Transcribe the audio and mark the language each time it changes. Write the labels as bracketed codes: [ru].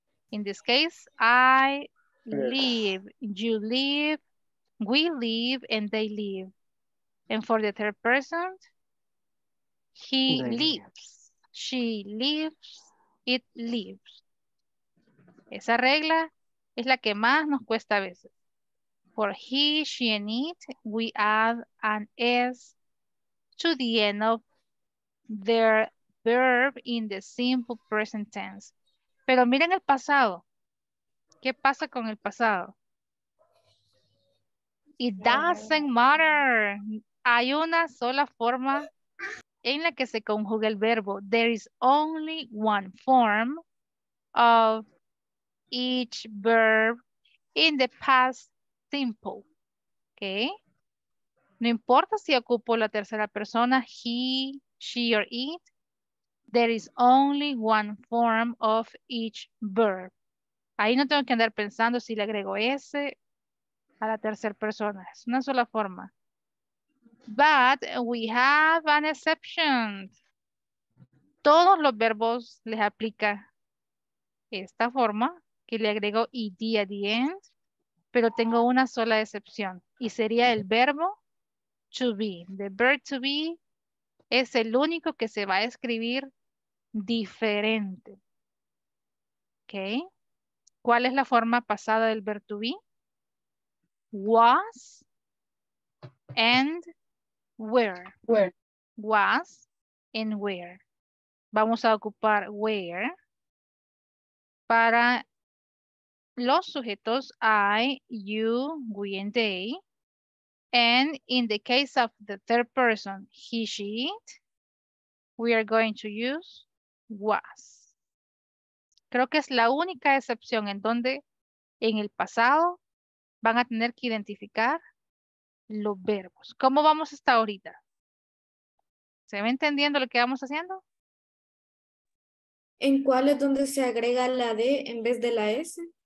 [en] In this case, I live, you live, we live, and they live. And for the third person, he lives, she lives, it lives. [es] Esa regla es la que más nos cuesta a veces. [en] For he, she, and it, we add an S to the end of their verb in the simple present tense. [es] Pero miren el pasado. ¿Qué pasa con el pasado? [en] It doesn't matter. [es] Hay una sola forma en la que se conjuga el verbo. [en] There is only one form of each verb in the past simple. Okay? [es] No importa si ocupo la tercera persona, [en] he, she, or it. There is only one form of each verb. [es] Ahí no tengo que andar pensando si le agrego S a la tercera persona. Es una sola forma. [en] But we have an exception. [es] Todos los verbos les aplica esta forma, que le agrego ED [en] at the end, [es] pero tengo una sola excepción. Y sería el verbo to be. [en] The verb to be [es] es el único que se va a escribir diferente. Okay. ¿Cuál es la forma pasada del verb to be? [en] Was and were. Where. Was and where. [es] Vamos a ocupar [en] where [es] para los sujetos [en] I, you, we, and they. And in the case of the third person, he, she, it, we are going to use was. [es] Creo que es la única excepción en donde en el pasado van a tener que identificar los verbos. ¿Cómo vamos hasta ahorita? ¿Se va entendiendo lo que vamos haciendo? ¿En cuál es donde se agrega la D en vez de la S?